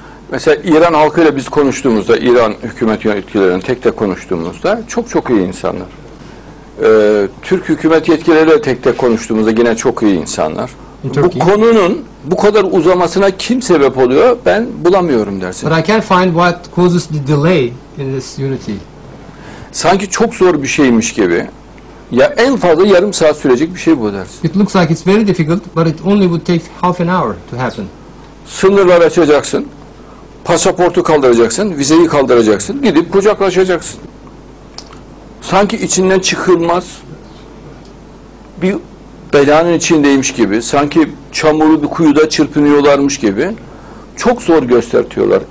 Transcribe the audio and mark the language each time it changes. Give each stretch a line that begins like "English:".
Turkish: Mesela İran halkıyla biz konuştuğumuzda, İran hükümet yetkililerini tek tek konuştuğumuzda çok çok iyi insanlar. Türk hükümet yetkilileriyle tek tek konuştuğumuzda yine çok iyi insanlar. Bu konunun bu kadar uzamasına kim sebep oluyor? Ben bulamıyorum dersin.
English: But I can't find what causes the delay in this unity.
Turkish: Sanki çok zor bir şeymiş gibi. Ya en fazla yarım saat sürecek bir şey bu dersin.
English: It looks like it's very difficult, but it only would take half an hour to happen.
Turkish: Sınırları açacaksın, pasaportu kaldıracaksın, vizeyi kaldıracaksın, gidip kucaklaşacaksın. Sanki içinden çıkılmaz bir belanın içindeymiş gibi, sanki çamuru bir kuyuda çırpınıyorlarmış gibi çok zor göstertiyorlar.